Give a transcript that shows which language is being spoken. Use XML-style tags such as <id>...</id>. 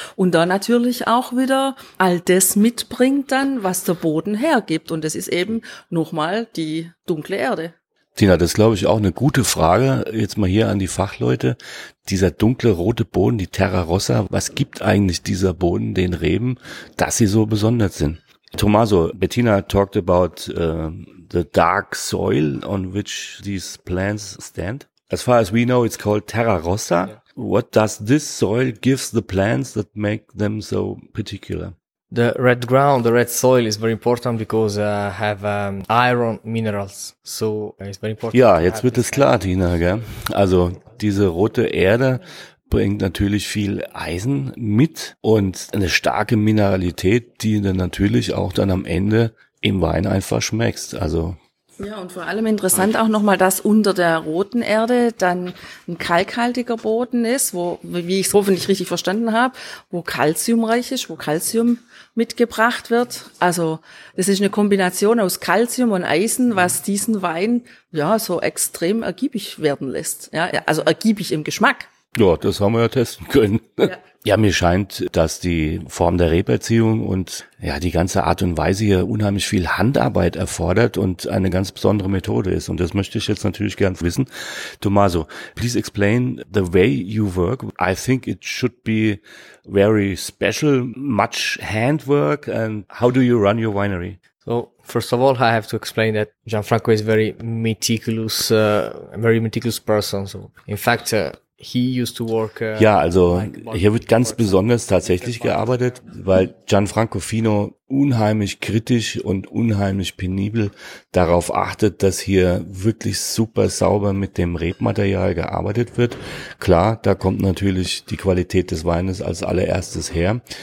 <de>Und da natürlich auch wieder all das mitbringt dann, was der Boden hergibt. Und das ist eben nochmal die dunkle Erde. Tina, das ist, glaube ich, auch eine gute Frage. Jetzt mal hier an die Fachleute. Dieser dunkle rote Boden, die Terra Rossa, was gibt eigentlich dieser Boden den Reben, dass sie so besonders sind?</de> <en>Tommaso, Bettina talked about the dark soil on which these plants stand. As far as we know, it's called Terra Rossa. Yeah. What does this soil give the plants that make them so particular? The red ground, the red soil is very important because have iron minerals. So it's very important.</en> <de>Ja, jetzt wird es klar, Tina, gell? Also diese rote Erde bringt natürlich viel Eisen mit und eine starke Mineralität, die dann natürlich auch dann am Ende im Wein einfach schmeckt. Also ja, und vor allem interessant auch nochmal, dass unter der roten Erde dann ein kalkhaltiger Boden ist, wo, wie ich es hoffentlich richtig verstanden habe, wo kalziumreich ist, wo Kalzium mitgebracht wird. Also das ist eine Kombination aus Kalzium und Eisen, was diesen Wein ja so extrem ergiebig werden lässt. Ja, also ergiebig im Geschmack. Ja, das haben wir ja testen können. Ja, mir scheint, dass die Form der Reberziehung und ja die ganze Art und Weise hier unheimlich viel Handarbeit erfordert und eine ganz besondere Methode ist. Und das möchte ich jetzt natürlich gern wissen.</de> <en>Tommaso, please explain the way you work. I think it should be very special, much handwork. And how do you run your winery? So, first of all, I have to explain that Gianfranco is very meticulous, person. So, in fact, he used to work,</en> <de>ja, also hier wird ganz besonders tatsächlich gearbeitet, weil Gianfranco Fino unheimlich kritisch und unheimlich penibel darauf achtet, dass hier wirklich super sauber mit dem Rebmaterial gearbeitet wird. Klar, da kommt natürlich die Qualität des Weines als allererstes her.</de>